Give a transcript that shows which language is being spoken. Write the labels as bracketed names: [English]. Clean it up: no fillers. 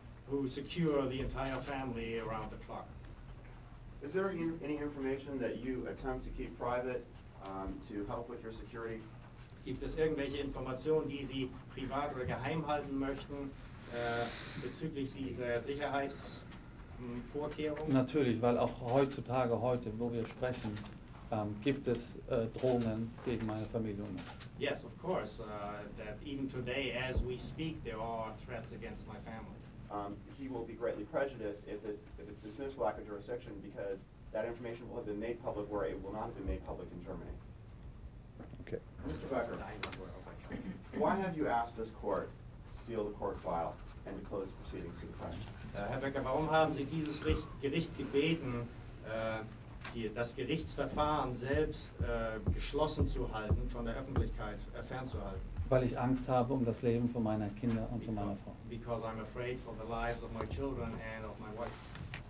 [English] Who secure the entire family around the clock. Is there any information that you attempt to keep private to help with your security? [German] Gibt es irgendwelche Informationen, die Sie privat oder geheim halten möchten bezüglich dieser Sicherheitsvorkehrungen? Natürlich, weil auch heutzutage, heute, wo wir sprechen, gibt es Drohungen gegen meine Familie. [English] Yes, of course, that even today, as we speak, there are threats against my family. He will be greatly prejudiced if it's dismissed for lack of jurisdiction, because that information will have been made public where it will not have been made public in Germany. Okay. Mr. Becker, why have you asked this court to seal the court file and to close the proceedings to the press? [German] Herr Becker, warum haben Sie dieses Gericht gebeten, das Gerichtsverfahren selbst geschlossen zu halten, von der Öffentlichkeit fernzuhalten? Weil ich Angst habe um das Leben von meiner Kinder und von meiner Frau. [English] Because I'm afraid for the lives of my children and of my wife.